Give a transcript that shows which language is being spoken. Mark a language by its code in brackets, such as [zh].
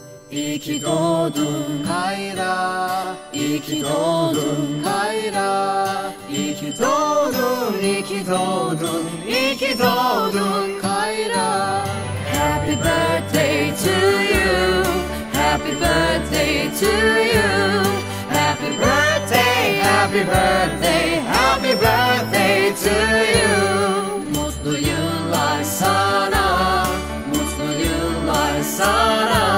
[tr] İyi ki doğdun Kayra, iyi ki doğdun Kayra, iyi ki doğdun, iyi ki doğdun, iyi ki doğdun Kayra. [en] Happy birthday to you, happy birthday to you, happy birthday, happy birthday, happy birthday to you. [tr] Mutlu yıllar sana, mutlu yıllar sana.